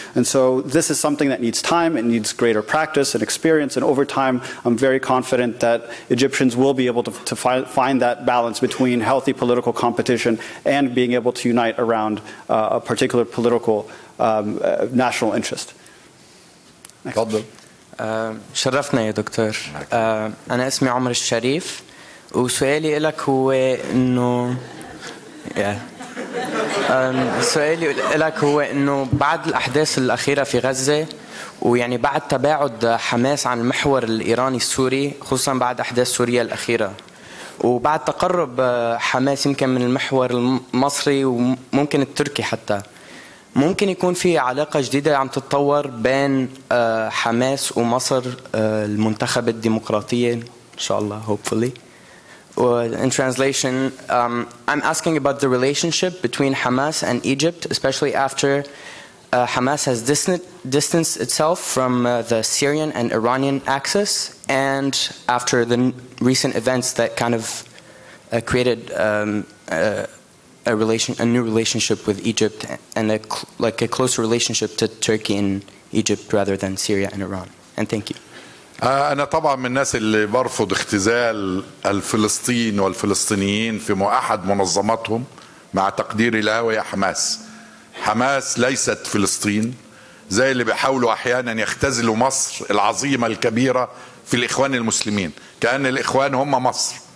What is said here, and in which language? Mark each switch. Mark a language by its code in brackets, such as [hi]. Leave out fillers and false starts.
[en] And so this is something that needs time, it needs greater practice and experience, and over time I'm very confident that Egyptians will be able to find that balance between healthy political competition and being able to unite around a particular political national interest. [ar] شرفنا يا دكتور. أنا اسمي عمر الشريف وسؤالي لك هو إنه سؤالي لك هو إنه بعد الأحداث الأخيرة في غزة ويعني بعد تباعد حماس عن المحور الإيراني السوري خصوصاً بعد أحداث سوريا الأخيرة وبعد تقرب حماس يمكن من المحور المصري وممكن التركي حتى. ممكن يكون في علاقة جديدة عم تتطور بين حماس ومصر المنتخبة الديمقراطية إن شاء الله hopefully. [en] In translation, I'm asking about the relationship between Hamas and Egypt, especially after Hamas has distanced itself from the Syrian and Iranian axis, and after the recent events that kind of created. A new relationship with Egypt and a closer relationship to Turkey and Egypt rather than Syria and Iran. And thank you. [ar] أنا طبعا من الناس اللي برفض اختزال الفلسطين والفلسطينيين في أحد منظماتهم مع تقديري لها وهي حماس. حماس ليست فلسطين زي اللي بيحاولوا أحيانا يختزلوا مصر العظيمة الكبيرة في الإخوان المسلمين كأن الإخوان هم مصر.